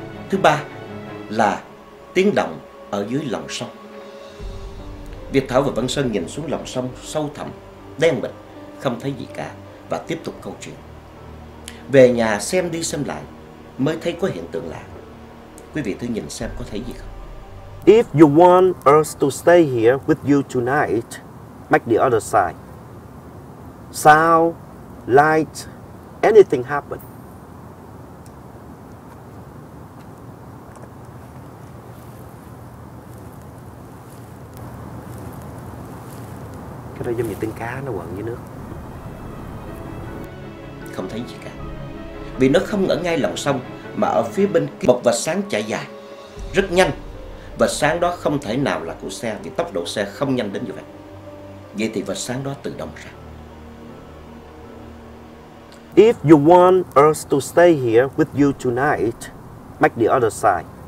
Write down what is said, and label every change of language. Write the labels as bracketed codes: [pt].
[vi] Thứ ba là tiếng động ở dưới lòng sông. Việt Thảo và Văn Sơn nhìn xuống lòng sông sâu thẳm, đen mịt, không thấy gì cả và tiếp tục câu chuyện. Về nhà xem đi xem lại mới thấy có hiện tượng lạ. Quý vị thử nhìn xem có thấy gì không? [en] If you want us to stay here with you tonight, make the other side. Sound, light, anything happen. [vi] Cái đó giống như tiếng cá nó quẩn dưới nước. Không thấy gì cả. Vì nó không ở ngay lòng sông mà ở phía bên kia, một vệt sáng chạy dài. rất nhanh. Và sáng đó không thể nào là của xe vì tốc độ xe không nhanh đến như vậy. Vậy thì vật sáng đó tự động ra. [en] If you want us to stay here with you tonight, make the other side.